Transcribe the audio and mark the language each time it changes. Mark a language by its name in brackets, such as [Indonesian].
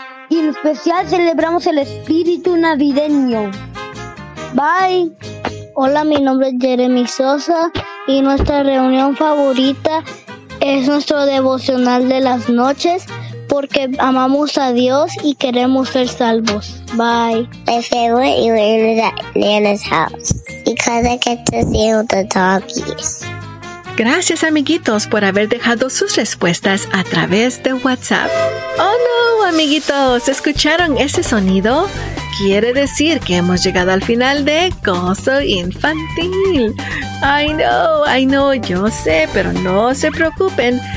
[Spanish] Y en especial celebramos el espíritu navideño. [English] Bye. [Spanish] Hola, mi nombre es Jeremy Sosa y nuestra reunión favorita es nuestro devocional de las noches, porque amamos a Dios y queremos ser salvos. Bye. [English] My favorite is at Nana's house because I get to see all the doggies. [Spanish] Gracias, amiguitos, por haber dejado sus respuestas a través de WhatsApp. Oh no, amiguitos, ¿escucharon ese sonido? Quiere decir que hemos llegado al final de Gozo Infantil. [English] I know, [Spanish] yo sé, pero no se preocupen.